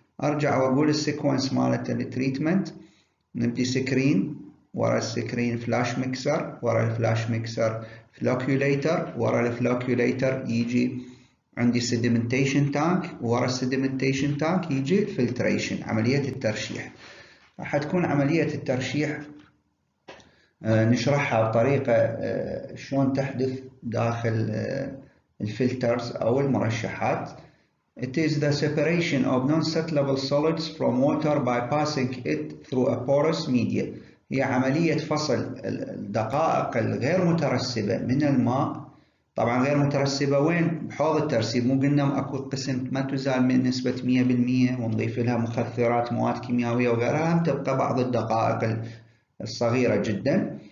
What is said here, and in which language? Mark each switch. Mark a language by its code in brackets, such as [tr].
[ar] أرجع وأقول السيكونس مالت التريتمنت، نبدي سكرين، ورا السكرين فلاش ميكسر، ورا الفلاش ميكسر فلوكيوليتر، ورا الفلوكيوليتر يجي عندي سيدمنتيشن تانك، ورا السيدمنتيشن تانك يجي فلتريشن، عملية الترشيح. راح تكون عملية الترشيح نشرحها بطريقة شلون تحدث داخل الفلترز أو المرشحات. [en] It is the separation of non-settleable solids from water by passing it through a porous media. [ar] هي عملية فصل الدقائق الغير مترسبة من الماء. طبعا غير مترسبة وين؟ بحوض الترسيب. مو قلنا اكو قسم ما تزال من نسبة 100% ونضيف لها مخثرات مواد كيميائية وغيرها، هم تبقى بعض الدقائق الصغيرة جدا.